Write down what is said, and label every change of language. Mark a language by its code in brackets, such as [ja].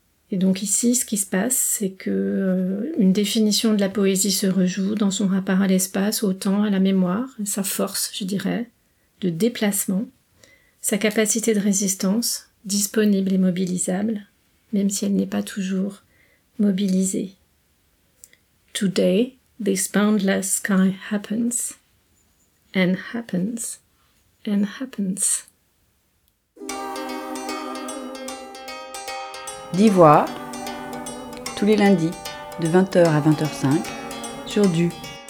[fr] Et donc ici, ce qui se passe, c'est que une définition de la poésie se rejoue dans son rapport à l'espace, au temps, à la mémoire, sa force, je dirais, de déplacement, sa capacité de résistance, disponible et mobilisable, même si elle n'est pas toujours mobilisée. [en] Today, this boundless sky happens, and happens, and happens. [fr] D'Ivoire, tous les lundis, de 20h à 20h05, sur du 93.5.